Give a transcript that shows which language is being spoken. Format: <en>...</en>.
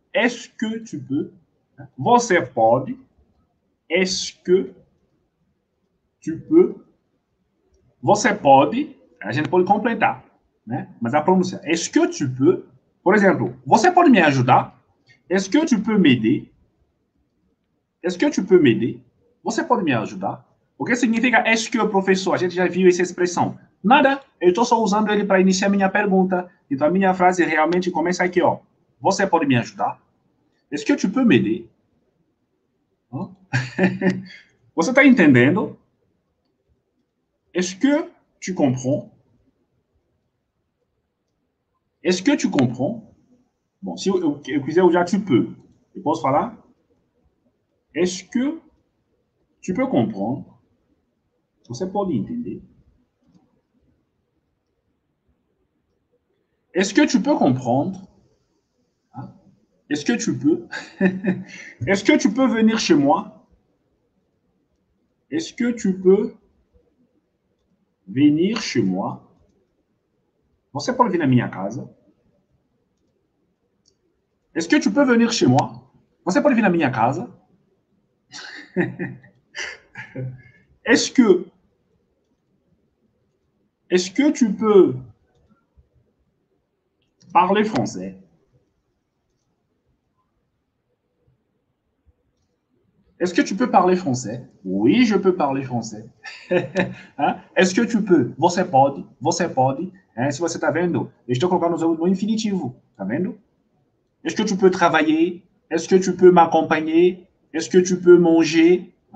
<fr>Est-ce que tu peux?</fr> <pt>Você pode?</pt> <fr>Est-ce que tu peux? Você pode?</fr> <pt>A gente pode completar, né? Mas a pronúncia.</pt> <fr>Est-ce que tu peux?</fr> <pt>Por exemplo, você pode me ajudar?</pt> <fr>Est-ce que tu peux m'aider? Est-ce que tu peux m'aider?</fr> <pt>Você pode me ajudar? O que significa est-ce que, professor? A gente já viu essa expressão. Nada, eu estou só usando ele para iniciar minha pergunta. Então a minha frase realmente começa aqui, ó. Você pode me ajudar?</pt> <fr>Est-ce que tu peux m'aider?</fr> <pt>Você está entendendo?</pt> <fr>Est-ce que tu comprends? Est-ce que tu comprends?</fr> <pt>Bon, si eu quiser usar tu peux, eu posso falar?</pt> <fr>Est-ce que tu peux comprendre?</fr> <pt>Você pode entender?</pt> <fr>Est-ce que tu peux comprendre? Est-ce que tu peux? Est-ce que tu peux venir chez moi? Est-ce que tu peux venir chez moi?</fr> <pt>Você pode vir à minha casa?</pt> <fr>Est-ce que tu peux venir chez moi?</fr> <pt>Você pode vir à minha casa?</pt> <fr>Est-ce que tu peux parler français? Est-ce que tu peux parler français? Oui, je peux parler français. Est-ce que tu peux?</fr> <pt>Você pode. Você pode. Se você está vendo, eu estou colocando no infinitivo. Está vendo?</pt> <fr>Est-ce que tu peux travailler? Est-ce que tu peux m'accompagner? Est-ce que tu peux manger?</fr>